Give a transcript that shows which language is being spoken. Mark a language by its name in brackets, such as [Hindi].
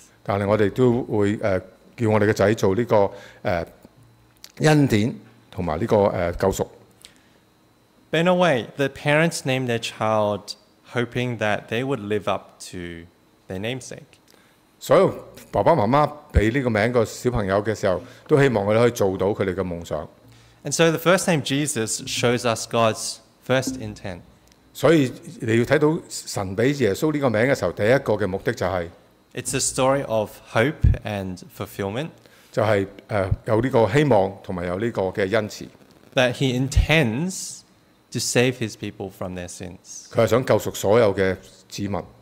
[Cantonese] 但係我哋都會叫我哋嘅仔做呢個恩典同埋呢個救贖。 [English] in a way, the parents named their child hoping that they would live up to their namesake. [Cantonese] 所有爸爸媽媽俾呢個名個小朋友嘅時候, 都希望佢可以做到佢哋嘅夢想。 [English] And so the first name Jesus shows us God's first intent. [Cantonese] 所以你要睇到神俾耶穌呢個名嘅時候, 第一個嘅目的就係, [English] It's a story of hope and fulfillment. [Cantonese] 就係, 有呢個希望同埋有呢個嘅恩慈。 [English] That he intends to save his people from their sins. [Cantonese] 佢係想救贖所有嘅子民。